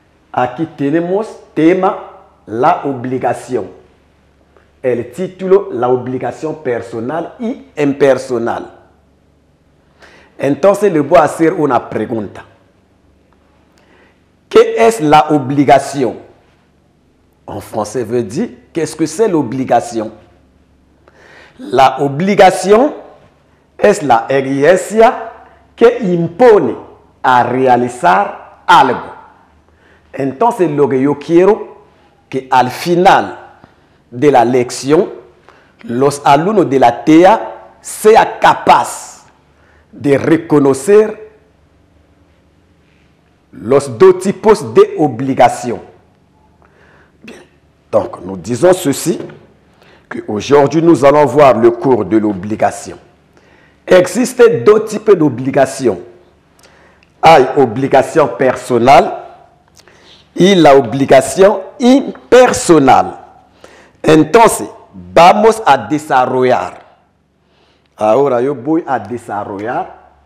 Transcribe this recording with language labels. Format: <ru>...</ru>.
<es>Aquí tenemos tema la obligación, el título la obligación personal y impersonal. Entonces le voy a hacer una pregunta. ¿Qué es la obligación?</es> <fr>En français veut dire qu'est-ce que c'est l'obligation?</fr> <es>La obligación es la exigencia que impone a realizar algo. Entonces lo que yo quiero que al final de la lección los alumnos de la TEA sean capaces de reconocer los dos tipos de obligación.</es> <fr>Bien, donc nous disons ceci, que aujourd'hui nous allons voir le cours de l'obligation.</fr> <es>Existe dos tipos de obligación. Hay obligación personal y la obligación impersonal. Entonces, vamos a desarrollar. Ahora yo voy a desarrollar.</es>